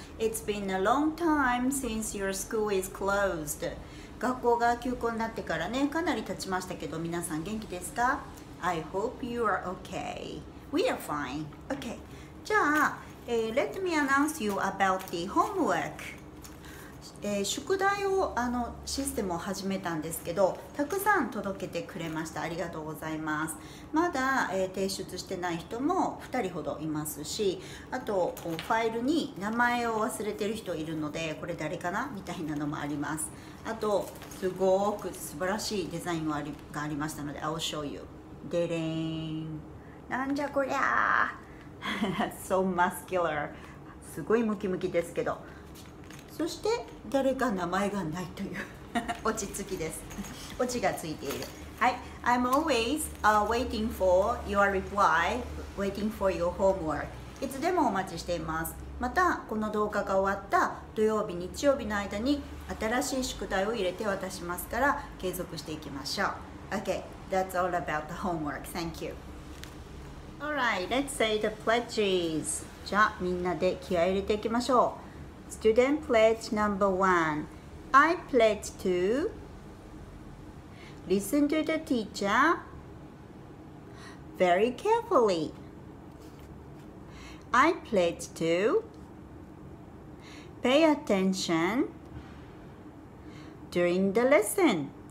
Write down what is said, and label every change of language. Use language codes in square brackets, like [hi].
[en] It's been a long time since your school is closed. [ja] 学校が休校になってからね、かなり経ちましたけど、皆さん元気ですか? [en] I hope you are okay. We are fine. Okay. じゃあ、let me announce you about the homework. [ja] 宿題をシステムを始めたんですけど、たくさん届けてくれました。ありがとうございます。まだ、提出してない人も2人ほどいますし、あとファイルに名前を忘れてる人いるので、これ誰かなみたいなのもあります。あとすごく素晴らしいデザインがありましたので、 [en] I'll show you。 [ja] デレーン、なんじゃこりゃ [en] So muscular、 [ja] すごいムキムキですけど、そして誰か名前がないという落ち着きです。落ちがついている。 [en] はい、 I'm always waiting for your reply, waiting for your homework. [ja] いつでもお待ちしています。またこの動画が終わった土曜日日曜日の間に新しい宿題を入れて渡しますから、継続していきましょう。 [en] Okay, that's all about the homework. Thank you. All right, let's say the pledges. [ja] じゃあみんなで気合い入れていきましょう。 [en] Student pledge number one. I pledge to listen to the teacher very carefully. I pledge to pay attention during the lesson.